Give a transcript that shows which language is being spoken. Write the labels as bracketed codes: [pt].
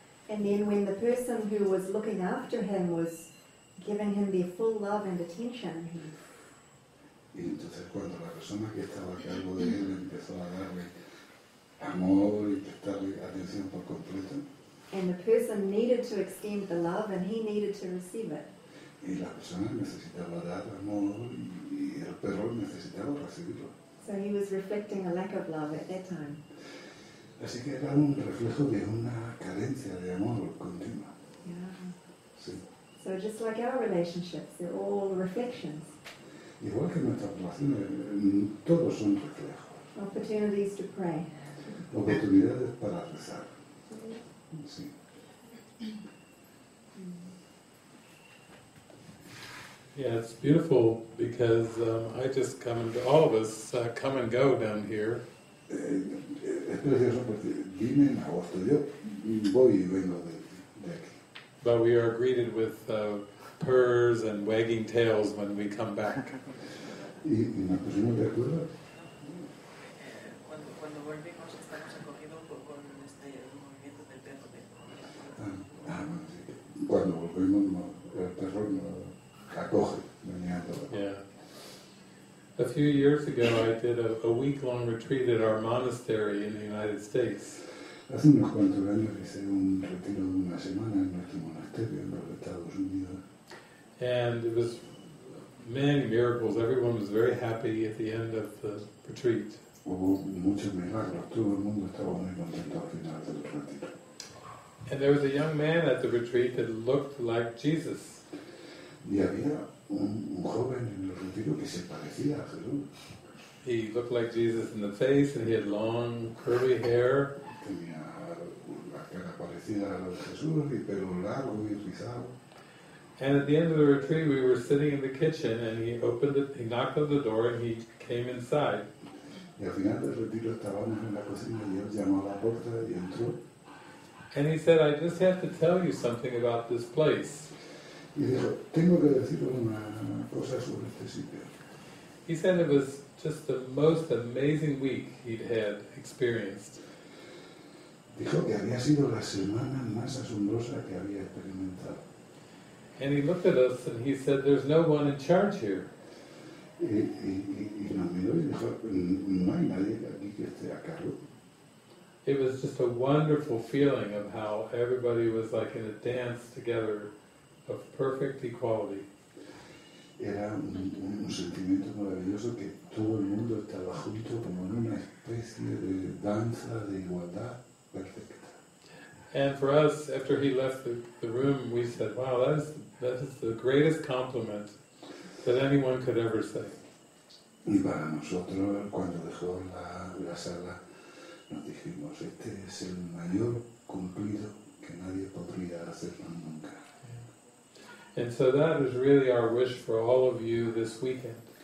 [en] And then when the person who was looking after him was giving him the full love and attention, he... [es] Y entonces cuando la persona que estaba a cargo de él empezó a darle amor y prestarle atención por completo. [en] And the person needed to extend the love and he needed to receive it. [es] Y la persona necesitaba dar amor y el perro necesitaba recibirlo. [en] So he was reflecting a lack of love at that time. [es] Así que era un reflejo de una carencia de amor continua. [en] So just like our relationships, they're all reflections. [es] Igual que nuestras relaciones, todos son reflejos. [en] Opportunities to pray. [es] Oportunidades para rezar. Sí. [en] Yeah, it's beautiful because I just come and go, all of us come and go down here. [es] Es precioso porque vine en agosto, yo voy y vengo de aquí. [en] But we are greeted with purrs and wagging tails when we come back. [es] ¿Y nos pusimos de acuerdo? Cuando volvimos estamos acogidos con este movimiento del perro. Cuando volvimos, el perro nos acoge. [en] Yeah. A few years ago, I did a week-long retreat at our monastery in the United States. [es] Hace unos cuantos años hice un retiro de una semana en nuestro monasterio en los Estados Unidos. [en] And it was many miracles. Everyone was very happy at the end of the retreat. [es] Hubo muchos milagros. Todo el mundo estaba muy contento al final del retiro. [en] And there was a young man at the retreat that looked like Jesus. [es] Y había un joven en el retiro que se parecía a Jesús. [en] He looked like Jesus in the face, and he had long, curly hair. [es] Tenía la cara parecida a la de Jesús, y pelo largo y rizado. [en] And at the end of the retreat, we were sitting in the kitchen, and he opened it, he knocked on the door, and he came inside. [es] Y al final del retiro estábamos en la cocina, y él llamó a la puerta y entró. [en] And he said, "I just have to tell you something about this place." [es] Y dijo, tengo que decirle una cosa sobre este sitio. [en] He said it was just the most amazing week he'd had experienced. [es] Dijo que había sido la semana más asombrosa que había experimentado. [en] And he looked at us and he said, "There's no one in charge here." [es] Y nos miró y dijo, no hay nadie aquí que esté a cargo. [en] It was just a wonderful feeling of how everybody was like in a dance together. Of perfect equality. [es] Era un sentimiento maravilloso que todo el mundo estaba junto como en una especie de danza de igualdad perfecta. [en] And for us, after he left the room, we said, "Wow, that is the greatest compliment that anyone could ever say." [es] Y para nosotros, cuando dejó la sala, nos dijimos, "Este es el mayor cumplido que nadie podría hacernos nunca." [en] And so that is really our wish for all of you this weekend.